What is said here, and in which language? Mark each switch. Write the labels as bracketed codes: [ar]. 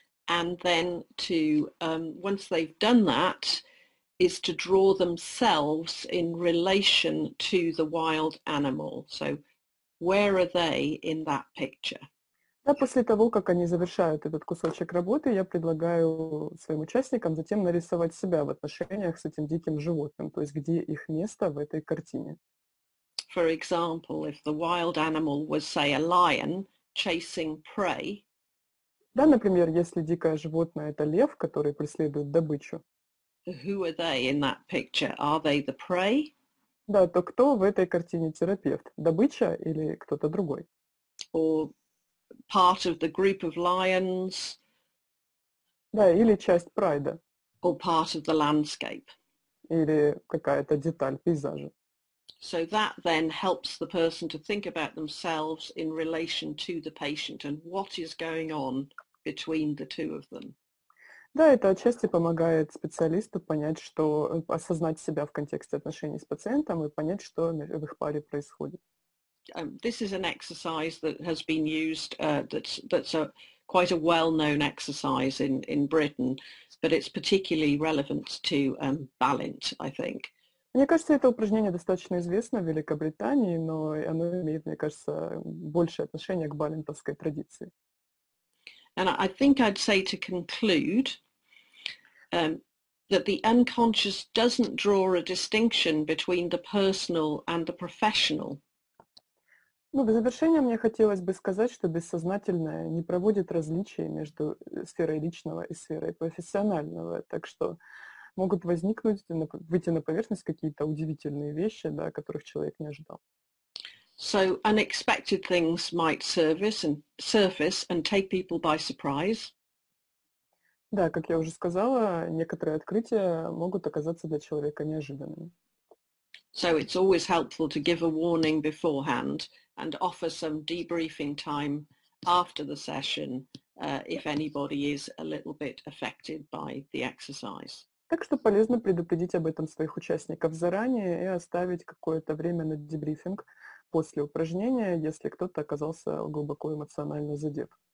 [en] And then to, once they've done that, is to draw themselves in relation to the wild animal. So where are they in that picture? [ru] Да, после того, как они завершают этот кусочек работы, я предлагаю своим участникам затем нарисовать себя в отношениях с этим диким животным, то есть где их место в этой картине. [en] For example, if the wild animal was, say, a lion chasing prey. [ru] Да, например, если дикое животное — это лев, который преследует добычу. [en] Who are they in that picture? Are they the prey? [ru] Да, то кто в этой картине терапевт? Добыча или кто-то другой? [en] Part of the group of lions. [ru] Да, или часть прайда. [en] Or part of the landscape. [ru] Или какая-то деталь пейзажа. [en] So that then helps the person to think about themselves in relation to the patient and what is going on between the two of them. [ru] Да, это отчасти помогает специалисту понять, что осознать себя в контексте отношений с пациентом и понять, что в их паре происходит. [en] This is an exercise that has been used, that's a quite a well-known exercise in Britain, but it's particularly relevant to Balint, I think. [ru] Мне кажется, это упражнение достаточно известно в Великобритании, но оно имеет, мне кажется, большее отношение к балинтовской традиции. [en] And I think I'd say to conclude that the unconscious doesn't draw a distinction between the personal and the professional. [ru] Ну, в завершение мне хотелось бы сказать, что бессознательное не проводит различия между сферой личного и сферой профессионального, так что могут возникнуть, выйти на поверхность какие-то удивительные вещи, да, которых человек не ожидал. [en] So unexpected things might surface and take people by surprise. [ru] Да, как я уже сказала, некоторые открытия могут оказаться для человека неожиданными. [en] So it's always helpful to give a warning beforehand and offer some debriefing time after the session, if anybody is a little bit affected by the exercise. [ru] Так что полезно предупредить об этом своих участников заранее и оставить какое-то время на дебрифинг после упражнения, если кто-то оказался глубоко эмоционально задет.